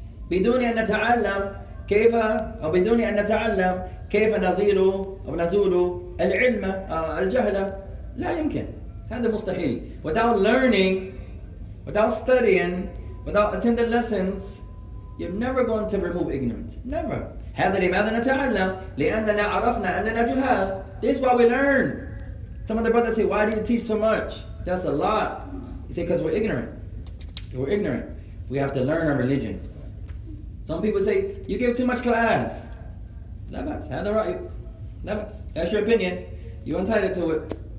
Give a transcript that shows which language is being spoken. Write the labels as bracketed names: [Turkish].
[Arabic] بِدُونِ أَن نَتَعَلَّمْ كَيْفَ أَوْ بِدُونِ أَن نَتَعَلَّمْ كَيْفَ نَزِيلُ أَوْ نَزُولُ الْعِلْمَ الْجَهْلَ. لا يمكن. هذا مستحيل. [English] Without learning, without studying, without attending lessons, you're never going to remove ignorance. Never. [Arabic] هذا لماذا نتعلم؟ لأننا عرفنا أننا جهال. [English] This is why we learn. Some of the brothers say, why do you teach so much? That's a lot. You say, because we're ignorant. We're ignorant. We have to learn our religion. Some people say, you give too much class. Labas. [Arabic] هذا رأيك. [English] Labas. That's your opinion. You're entitled to it.